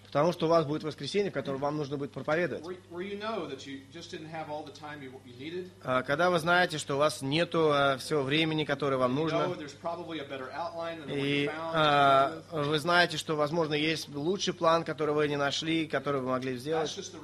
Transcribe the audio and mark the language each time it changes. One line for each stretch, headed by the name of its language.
Russian: Потому что у вас будет воскресенье, в котором вам нужно будет проповедовать.
English: You know that you just didn't have all the time you needed.
Russian: Когда вы знаете, что у вас нет всего времени, которое вам нужно, вы знаете, что, возможно, есть лучший план, который вы не нашли, который вы могли сделать.